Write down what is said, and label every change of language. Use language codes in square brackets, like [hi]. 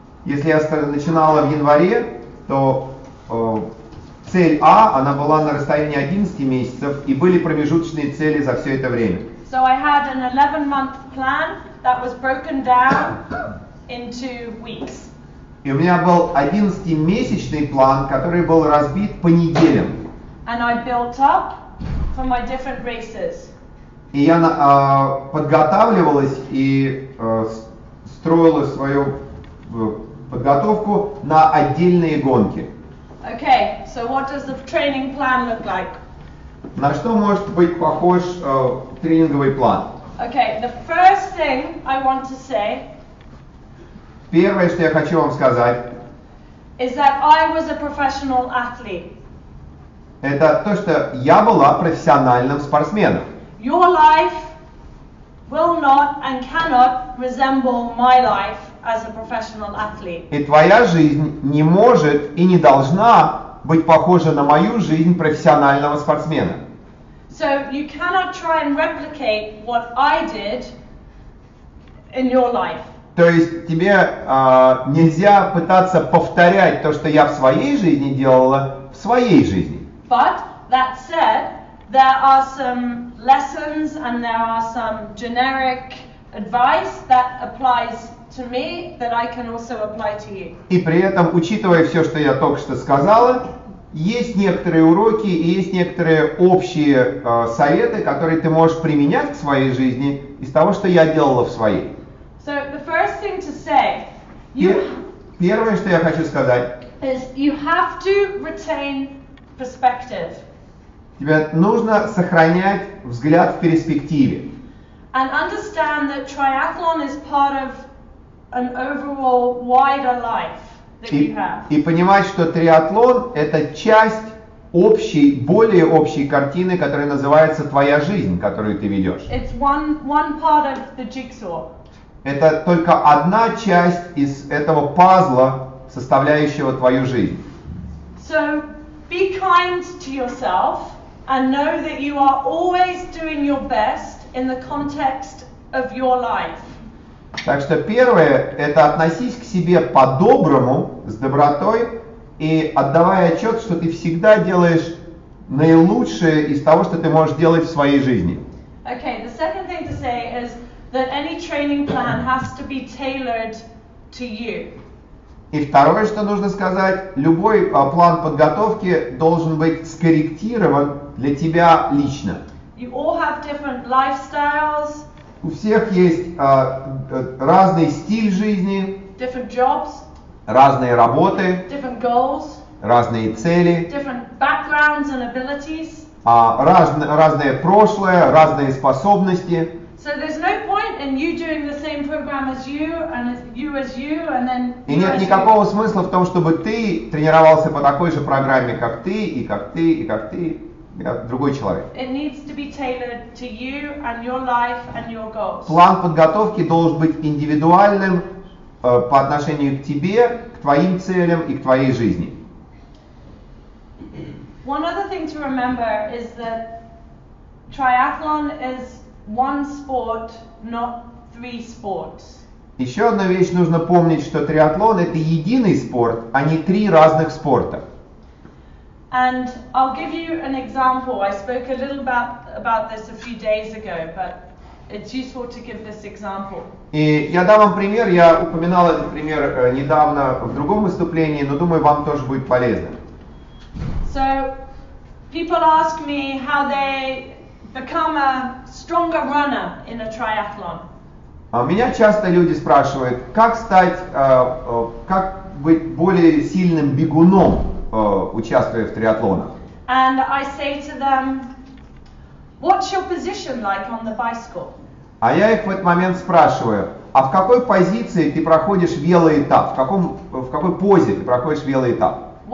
[ru] Если я начинала в январе, то цель А, она была на расстоянии 11 месяцев, и были промежуточные цели за все это время. [en] So I had an 11-month plan that was broken down into weeks. [ru] И у меня был 11-месячный план, который был разбит по неделям. [en] And I built up for my different races. [ru] И я подготавливалась и строила свою подготовку на отдельные гонки. [en] Okay, so what does the training plan look like? [ru] На что может быть похож тренинговый план? [en] Okay, the first thing I want to say. [ru] Первое, что я хочу вам сказать. [en] Is that I was a professional athlete. [ru] Это то, что я была профессиональным спортсменом. [en] Your life will not and cannot resemble my life as a professional athlete. [ru] И твоя жизнь не может и не должна быть похожа на мою жизнь профессионального спортсмена. [en] So you cannot try and replicate what I did in your life. [ru] То есть тебе нельзя пытаться повторять то, что я в своей жизни делала, в своей жизни. [en] But that said, there are some lessons and there are some generic advice that applies to me that I can also apply to you. [ru] И при этом, учитывая все, что я только что сказала, есть некоторые уроки и есть некоторые общие советы, которые ты можешь применять к своей жизни из того, что я делала в своей. [en] So the first thing to say, [ru] первое, что я хочу сказать, [en] is you have to retain perspective. [ru] Тебе нужно сохранять взгляд в перспективе. [en] And understand that triathlon is part of an overall wider life that you have. [ru] И понимать, что триатлон – это часть общей, более общей картины, которая называется твоя жизнь, которую ты ведешь. [en] It's one part of the jigsaw. [ru] Это только одна часть из этого пазла, составляющего твою жизнь. [en] So be kind to yourself. And know that you are always doing your best in the context of your life. [ru] Так что первое, это относись к себе по-доброму, с добротой, и отдавая отчет, что ты всегда делаешь наилучшее из того, что ты можешь делать в своей жизни. [en] Okay, the second thing to say is that any training plan has to be tailored to you. [ru] И второе, что нужно сказать, любой план подготовки должен быть скорректирован для тебя лично. [en] You all have different lifestyles, [ru] у всех есть разный стиль жизни, [en] different jobs, [ru] разные работы, [en] different goals, [ru] разные цели, [en] different backgrounds and abilities, [ru] разное прошлое, разные способности. [en] So there's no point in you doing the same program as you and you as you and then. [ru] И нет никакого смысла в том, чтобы ты тренировался по такой же программе, как ты и как ты и как ты, другой человек. [en] It needs to be tailored to you and your life and your goals. [ru] План подготовки должен быть индивидуальным по отношению к тебе, к твоим целям и к твоей жизни. [en] One other thing to remember is that triathlon is one sport, not three sports. [ru] Еще одна вещь нужно помнить, что триатлон это единый спорт, а не три разных спорта. [en] And I'll give you an example. I spoke a little about this a few days ago, but [ru] я дам вам пример, я упоминал этот пример недавно в другом выступлении, но думаю, вам тоже будет полезно. [en] So, people ask me how they become a stronger runner in a triathlon. [ru] Меня часто люди спрашивают, как стать, как быть более сильным бегуном, участвуя в триатлонах. [en] And I say to them, what's your position like on the bicycle? [ru] А я их в этот момент спрашиваю, а в какой позиции ты проходишь велоэтап? В какой позе ты проходишь велоэтап?